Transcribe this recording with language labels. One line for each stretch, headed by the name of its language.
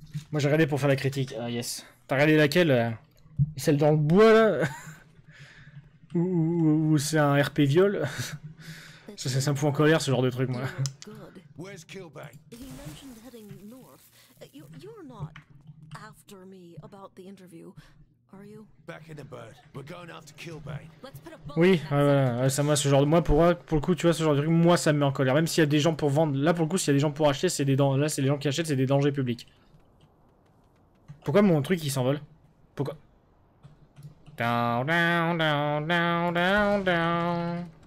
French: Moi j'ai regardé pour faire la critique. Ah yes. T'as regardé laquelle? Celle dans le bois là? Ou c'est un RP viol? Ça me fout en colère ce genre de truc, moi.
English: Where's Kilbane? He mentioned heading north. You're not after me about the interview, are you? Back in the bird. We're going after Kilbane.
French: Oui, ça moi ce genre de. Moi pour le coup, tu vois, ce genre de truc, moi ça me met en colère. Même s'il y a des gens pour vendre. Là pour le coup, s'il y a des gens pour acheter, c'est des dangers. Là c'est les gens qui achètent, c'est des dangers publics. Pourquoi mon truc il s'envole? Pourquoi?
English: Down, down, down, down, down, down.